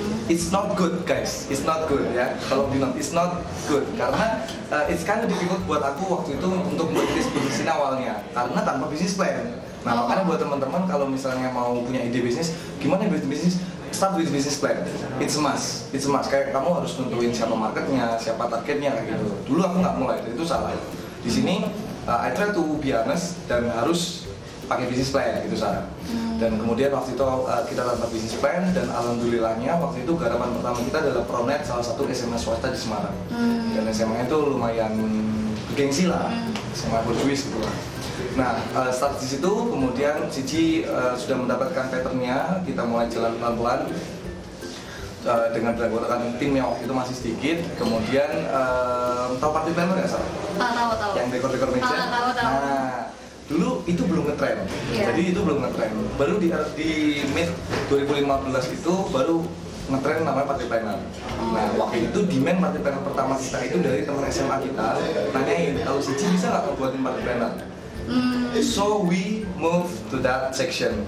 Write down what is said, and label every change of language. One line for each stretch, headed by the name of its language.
English: It's not good guys, it's not good ya.
Indonesian: Kalau bilang it's not good, karena it's kind of difficult buat aku waktu itu untuk merintis bisnis ini awalnya, karena tanpa business plan. Nah makanya buat teman-teman kalau misalnya mau punya ide bisnis, gimana bisnis?
English: Start with business plan, it's a must.
Indonesian: Kayak kamu harus nentuin siapa marketnya, siapa targetnya kayak gitu. Dulu aku nggak mulai, itu salah. Di sini I try to be honest dan harus pakai business plan gitu saran. Dan kemudian waktu itu kita tanpa business plan dan alhamdulillahnya waktu itu garapan pertama kita adalah Promnet, salah satu SMA swasta di Semarang. Dan SMA itu lumayan gengsi lah, SMA berjuis gitu lah. Nah, start di situ, kemudian Cici sudah mendapatkan patternnya, kita mulai jalan pelan-pelan dengan beranggotakan tim yang waktu itu masih sedikit. Kemudian, tau party planner nggak, Sarah? Tau. Yang dekor-dekor meja? Tau. Nah, dulu itu belum ngetrend, jadi itu belum ngetrend. Baru di mid-2015 itu, baru ngetrend namanya party planner. Nah, waktu itu demand party planner pertama kita itu dari teman SMA kita, tanyain, kalau Cici bisa nggak buatin party planner?
English: So we move to that section.